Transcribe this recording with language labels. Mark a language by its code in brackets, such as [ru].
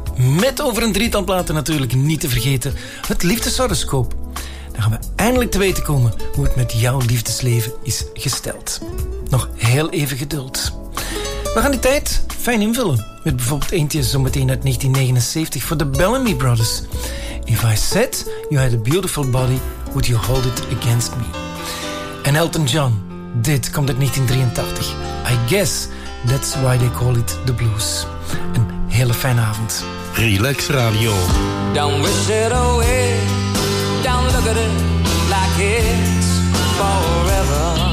[nl] Met over een drietal platen natuurlijk niet te vergeten. Het liefdeshoroscoop. Dan gaan we eindelijk te weten komen hoe het met jouw liefdesleven is gesteld. Nog heel even geduld. We gaan die tijd fijn invullen. Met bijvoorbeeld eentje zometeen uit 1979 voor de Bellamy Brothers. [en] If I said you had a beautiful body, would you hold it against me? [nl] En Elton John, dit komt uit 1983. [en] I guess that's why they call it the blues. [nl] Een hele fijne avond. Relax Radio. [en] Don't wish it away. Don't look at it like it's forever.